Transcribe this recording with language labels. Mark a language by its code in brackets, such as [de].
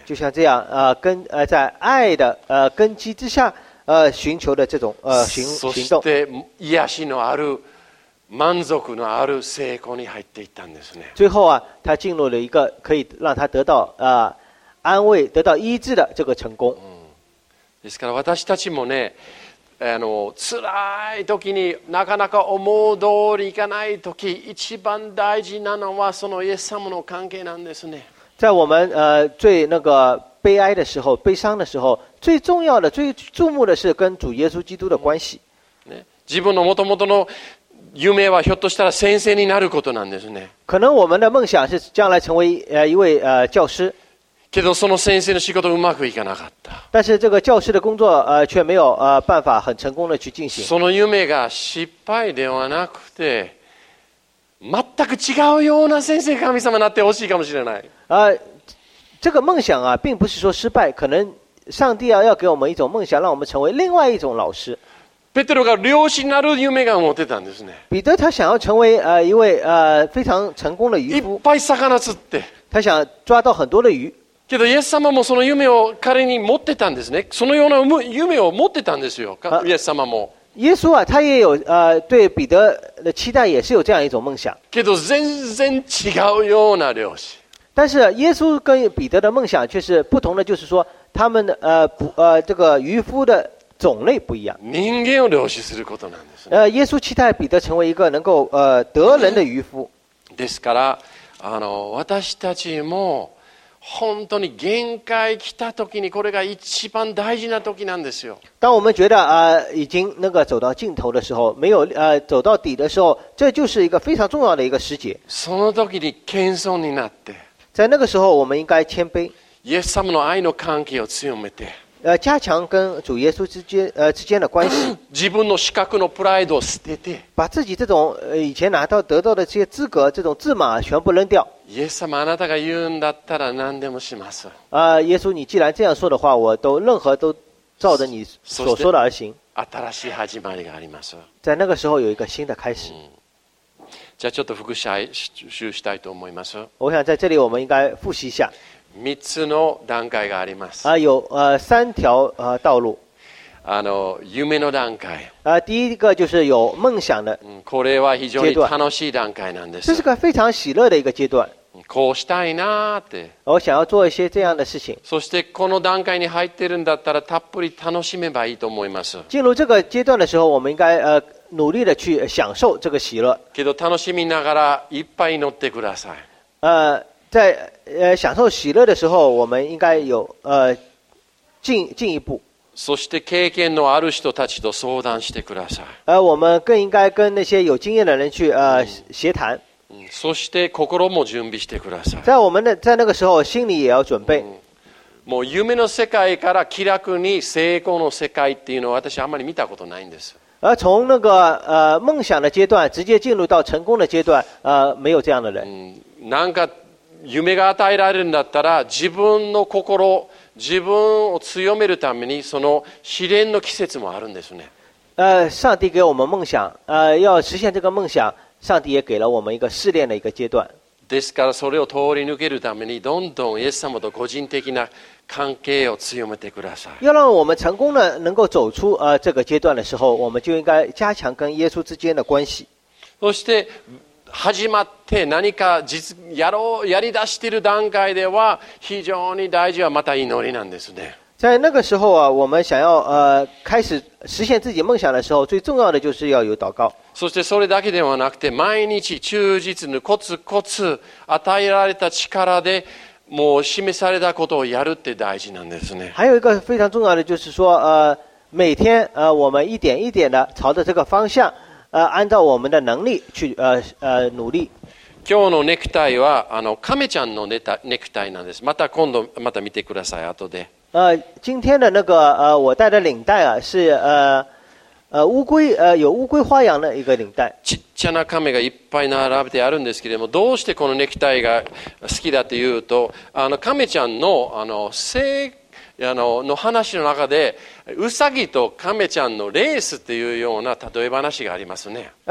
[zh] 就像这样，在爱的根基之下，寻求的这种行动。 [ja] そして癒しのある満足のある成功に入っていったんですね。 [zh] 最后啊，他进入了一个可以让他得到安慰、得到医治的这个成功。 [ja] ですから私たちもね、辛い時になかなか思う通りいかない時、一番大事なのはそのイエス様の関係なんですね。 [zh] 在我们最那个悲哀的时候、悲伤的时候、最重要的、最注目的是跟主耶稣基督的关系。 [ja] 自分の元々の夢はひょっとしたら先生になることなんですね。 [zh] 可能我们的梦想是将来成为一位教师。 [ja] けどその先生の仕事うまくいかなかった。 [zh] 但是这个教师的工作却没有办法很成功的去进行。 [ja] その夢が失敗ではなくて、全く違うような先生神様になってほしいかもしれない。 [zh] 这个梦想啊，并不是说失败，可能上帝要给我们一种梦想，让我们成为另外一种老师。 [ja] ペテロが漁師になる夢が持ってたんですね。 [zh] 彼得他想要成为一位非常成功的渔夫。 [ja] いっぱい魚釣って。 [zh] 他想抓到很多的鱼。 [ja] けどイエス様もその夢を彼に持ってたんですね。そのような夢を持ってたんですよ。イエス様も。イエスは [zh] 他也有对彼得的期待也是有这样一种梦想。 [ja] けど全然違うような漁師。 [zh] 但是耶稣跟彼得的梦想却是不同的，就是说他们这个渔夫的种类不一样。 [ja] 人間を漁師することなんですね。 [zh] 耶稣期待彼得成为一个能够得人的渔夫。 [ja] ですから私たちも。本当に限界来た時にこれが一番大事な時なんですよ。 [zh] 当我们觉得已经那个走到尽头的时候，没有走到底的时候，这就是一个非常重要的一个时节。 [ja] その時に謙遜になって。 [zh] 在那个时候，我们应该谦卑。 [ja] イエス様の愛の関係を強めて。 [zh] 加强跟主耶稣之间的关系， [ja] 自分の資格のプライドを捨てて、 [zh] 把自己这种以前拿到得到的这些资格这种自满全部扔掉。 [ja] イエス様あなたが言うんだったら何でもします。 [zh] 耶稣你既然这样说的话，我都任何都照着你所说的而行。 [ja] 新しい始まりがあります。 [zh] 在那个时候有一个新的开始。嗯、 [ja] じゃあちょっと復習 したいと思います。 [zh] 我想在这里我们应该复习一下。 [ja] 三つの段階があります。 [zh] 三条道路。 [ja] 夢の段階。 [zh] 第一个就是有梦想的。 [ja] これは非常に楽しい段階なんです。 [zh] 这是个非常喜乐的一个阶段。 [ja] こうしたいなって。 [zh] 我想要做一些这样的事情。 [ja] そしてこの段階に入ってるんだったらたっぷり楽しめばいいと思います。 [zh] 进入这个阶段的时候，我们应该努力的去享受这个喜乐。 [ja] けど楽しみながらいっぱい乗ってください。 [zh] 在享受喜乐的时候，我们应该有进一步。 [ja] そして経験のある人たちと相談してください。 [zh] 我们更应该跟那些有经验的人去协谈。 [ja] そして心も準備してください。 [zh] 在那个时候，心里也要准备。 [ja] もう夢の世界から気楽に成功の世界っていうのは私あんまり見たことないんです。 [zh] 从那个梦想的阶段直接进入到成功的阶段，没有这样的人。 [ja] なんか夢が与えられるんだったら自分の心自分を強めるためにその試練の季節もあるんですね。 [zh] 上帝给我们梦想，要实现这个梦想，上帝也给了我们一个试炼的一个阶段。 [ja] ですからそれを通り抜けるためにどんどんイエス様と個人的な関係を強めてください。 [zh] 要让我们成功的能够走出这个阶段的时候，我们就应该加强跟耶稣之间的关系。 [ja] そして始まって何か実やり出している段階では非常に大事はまた祈りなんですね。 [zh] 在那个时候啊，我们想要开始实现自己梦想的时候，最重要的就是要有祷告。 [ja] そしてそれだけではなくて、毎日忠実にコツコツ与えられた力でもう示されたことをやるって大事なんですね。 [zh] 还有一个非常重要的就是说，每天我们一点一点的朝着这个方向。按照我们的能力去努力。 [ja] 今日のネクタイはカメちゃんのネクタイなんです。また今度また見てください。後で。 [zh] 今天的那个我戴的领带啊是乌龟有乌龟花样的一个领带。 [ja] ちっちゃなカメがいっぱい並べてあるんですけれども、どうしてこのネクタイが好きだというと、カメちゃんの性の話の中でウサギとカメちゃんのレースというような例え話がありますね。